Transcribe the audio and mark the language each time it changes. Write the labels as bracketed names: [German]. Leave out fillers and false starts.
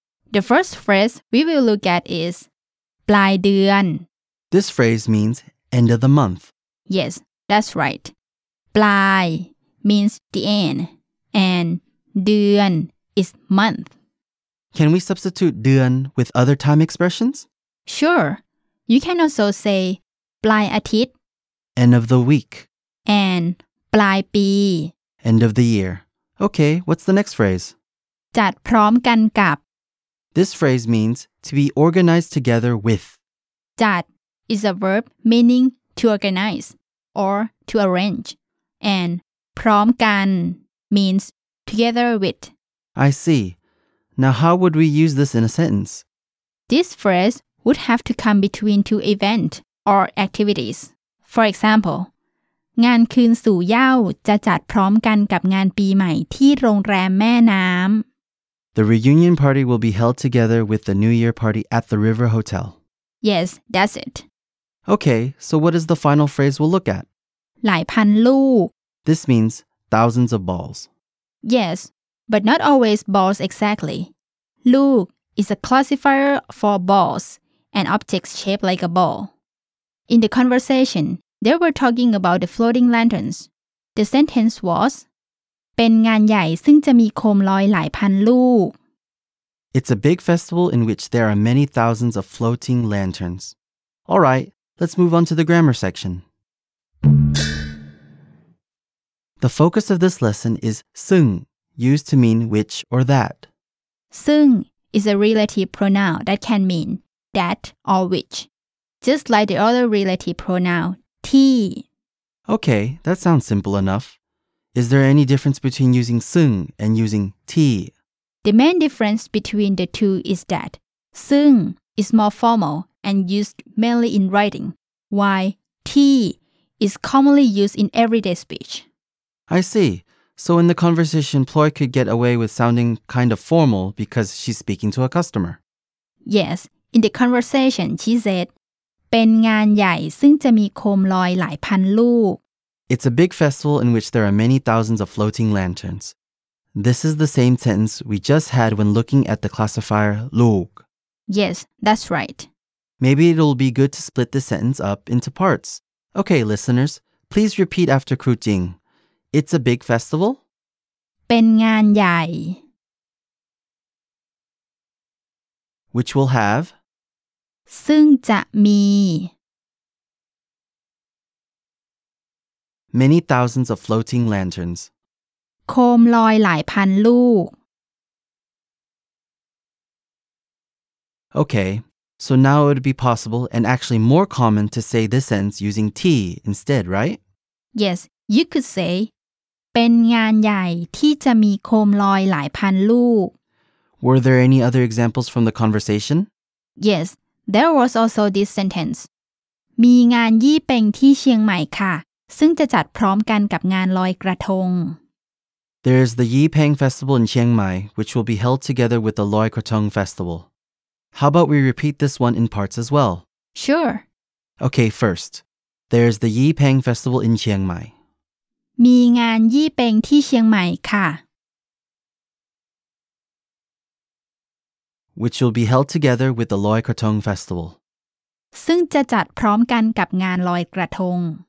[English] The first phrase we will look at is ปลายเดือน This phrase means end of the month. Yes, that's right. ปลาย means the end, and เดือน is month. Can we substitute เดือน with other time expressions? Sure. You can also say ปลายอาทิตย์ end of the week, and ปลายปี end of the year. Okay, what's the next phrase? [Thai] จัดพร้อมกันกับ [English] This phrase means to be organized together with. จัดis a verb meaning to organize or to arrange. And พร้อมกัน means together with. I see. Now how would we use this in a sentence? This phrase would have to come between two events or activities. For example, [Thai] งานคืนสู่เหย้าจะจัดพร้อมกันกับงานปีใหม่ที่โรงแรมแม่น้ำ [English] The reunion party will be held together with the New Year party at the River Hotel. Yes, that's it. Okay, so what is the final phrase we'll look at? [Thai] หลายพันลูก [English] This means thousands of balls. Yes, but not always balls exactly. ลูก is a classifier for balls, an object shaped like a ball. In the conversation, they were talking about the floating lanterns. The sentence was, [Thai] เป็นงานใหญ่ซึ่งจะมีโคมลอยหลายพันลูก [English] It's a big festival in which there are many thousands of floating lanterns. All right. Let's move on to the grammar section. The focus of this lesson is ซึ่ง, used to mean which or that. ซึ่ง is a relative pronoun that can mean that or which, just like the other relative pronoun, ที. Okay, that sounds simple enough. Is there any difference between using ซึ่ง and using ที? The main difference between the two is that ซึ่ง is more formal,and used mainly in writing, while ที is commonly used in everyday speech. I see. So in the conversation, Ploy could get away with sounding kind of formal because she's speaking to a customer. Yes. In the conversation, she said, [Thai] เป็นงานใหญ่ซึ่งจะมีโคมลอยหลายพันลูก [English] It's a big festival in which there are many thousands of floating lanterns. This is the same sentence we just had when looking at the classifier ลูก Yes, that's right. Maybe it'll be good to split this sentence up into parts. Okay, listeners, please repeat after Kru Jing. It's a big festival. [Thai] เป็นงานใหญ่ [English] Which will have? [Thai] ซึ่งจะมี [English] Many thousands of floating lanterns. [Thai] โคมลอยหลายพันลูก [English] Okay. So now it would be possible and actually more common to say this sentence using ที instead, right? Yes, you could say [Thai] เป็นงานใหญ่ที่จะมีโคมลอยหลายพันลูก [English] Were there any other examples from the conversation? Yes, there was also this sentence [Thai] มีงานยี่เป็งที่เชียงใหม่ค่ะซึ่งจะจัดพร้อมกันกับงานลอยกระทง [English] There is the Yi Peng Festival in Chiang Mai, which will be held together with the Loi Krathong Festival.How about we repeat this one in parts as well? Sure. Okay, first, there's the Yipeng Festival in Chiang Mai. [Thai] มีงานยี่เป็งที่เชียงใหม่ค่ะ [English] Which will be held together with the Loy Krathong Festival. [Thai] ซึ่งจะจัดพร้อมกันกับงานลอยกระทง